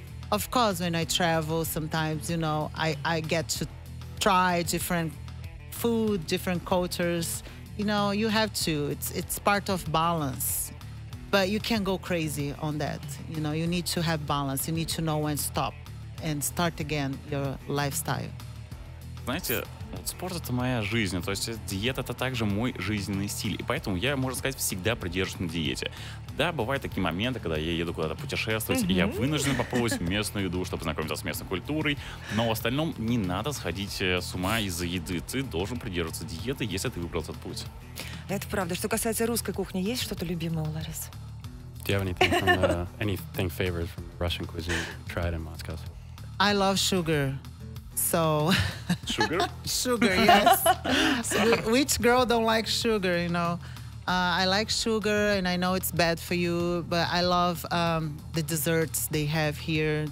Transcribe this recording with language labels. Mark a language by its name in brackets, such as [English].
[English] Of course, when I travel, sometimes, you know, I get to try different food, different cultures. You know, you have to. It's part of balance. But you can't go crazy on that. You know, you need to have balance. You need to know when to stop and start again your lifestyle. [Russian] Знаете, вот спорт — это моя жизнь, то есть диета — это также мой жизненный стиль, и поэтому я, можно сказать, всегда придерживаюсь на диете. Да, бывают такие моменты, когда я еду куда-то путешествовать, mm-hmm. и я вынужден попробовать местную еду, чтобы познакомиться с местной культурой, но в остальном не надо сходить с ума из-за еды, ты должен придерживаться диеты, если ты выбрал этот путь. Это правда. Что касается русской кухни, есть что-то любимое у Ларисы? [English] Do you have anything favorite from Russian cuisine you tried in Moscow? I love sugar. So sugar yes. Which girl don't like sugar, you know? I like sugar, and I know it's bad for you, but I love the desserts they have here.